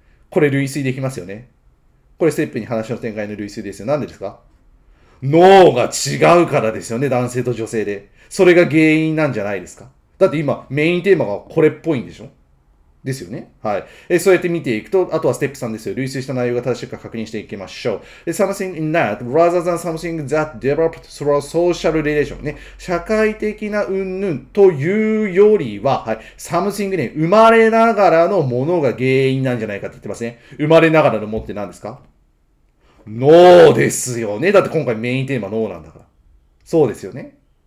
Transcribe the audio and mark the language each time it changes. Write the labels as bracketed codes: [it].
[ja] これ、類推できますよね。これ、ステップに話の展開の類推ですよ。なんでですか？脳が違うからですよね。男性と女性で。それが原因なんじゃないですか？だって今、メインテーマがこれっぽいんでしょ？ですよね？そうやって見ていくと、あとはステップ3ですよ。類推した内容が正しいか確認していきましょう。 [en] Something in that, rather than something that developed through social relation ね。 [ja] 社会的な云々というよりは、Something ね、生まれながらのものが原因なんじゃないかって言ってますね。生まれながらのものって何ですか？脳ですよね。だって今回メインテーマ脳なんだから。そうですよね。